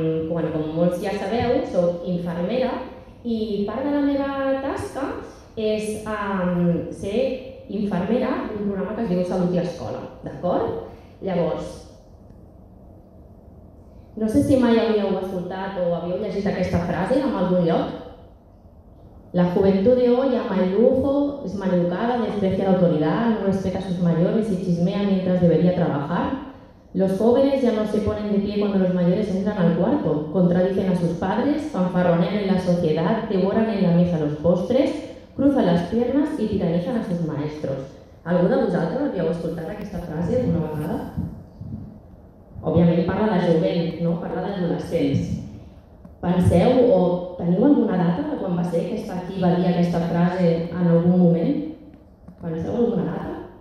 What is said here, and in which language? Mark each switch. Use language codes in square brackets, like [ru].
[ca] Bueno, com molts ja sabeu, soc infermera i part de la meva tasca és ser infermera d'un programa que es diu Salut i Escola, d'acord? Llavors, no sé si mai havíeu escoltat o havíeu llegit aquesta frase en algun lloc. [es] La juventud de hoy ama el lujo, es maleducada, desprecia la autoridad, no respeta a sus mayores y chismea mientras debería trabajar. Los jóvenes ya no se ponen de pie cuando los mayores entran al cuarto, contradicen a sus padres, fanfarronean en la sociedad, devoran en la mesa los postres, cruzan las piernas y tiranizan a sus maestros. [ca] ¿Algú de vosaltres havíeu escoltat aquesta frase alguna vegada? Òbviament parla de jovent, no? Parla d'adolescents. Penseu o teniu alguna data de quan va ser que està aquí, va dir aquesta frase en algun moment? Penseu alguna data?